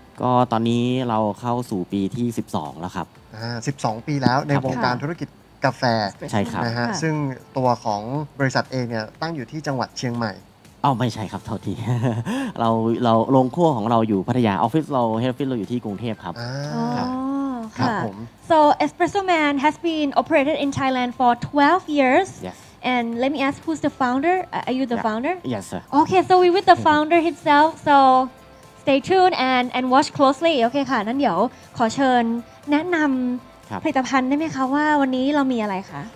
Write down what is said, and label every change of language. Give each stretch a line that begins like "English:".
Thai: ก็ตอนนี้เราเข้าสู่ปีที่12แล้วครับ 12ปีแล้วในวงการธุรกิจกาแฟ ใช่ครับ นะฮะซึ่งตัวของบริษัทเองเนี่ยตั้งอยู่ที่จังหวัดเชียงใหม่ไม่ใช่ครับเท่าที่เราโรงครัวของเราอยู่พัทยาออฟฟิศเราเฮดออฟฟิศเราอยู่ที่กรุงเทพครับ ครับผม
English: So Espresso Man has been operated in Thailand for 12 years And let me ask who's the founder Are you the founder Yes sir Okay so we with the founder himself soStay tuned and watch closely
Thai: โอเคค่ะนั้นเดี๋ยวขอเชิญแนะนำผลิตภัณฑ์ได้ไหมคะว่าวันนี้เรามีอะไรคะ